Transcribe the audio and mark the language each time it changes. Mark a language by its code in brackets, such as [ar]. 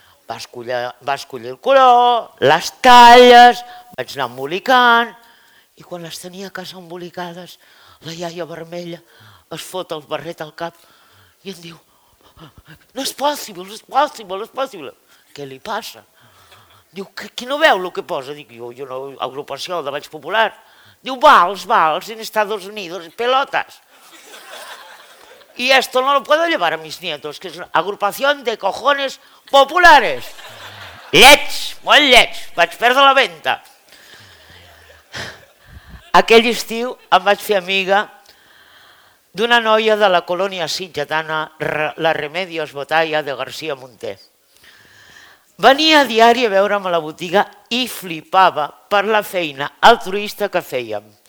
[ca] Va escollir el color, les talles, vaig anar embolicant i quan les tenia a casa embolicades, la iaia vermella es fot el barret al cap i em diu: no és possible, és possible, és possible. Què li passa? Diu: qui no veu el que posa? Dic: jo no, agrupació de Valls Popular. [es] Diu: vals, en Estados Unidos, pelotas. I esto no lo puedo llevar a mis nietos, que es una agrupación de cojones populares. [ca] Lleig, molt lleig, vaig perdre la venta. Aquell estiu em vaig fer amiga d'una noia de la colònia sitgetana La Remedios Botalla de García Monté. Venia a diari a veure'm a la botiga i flipava per la feina altruista que fèiem.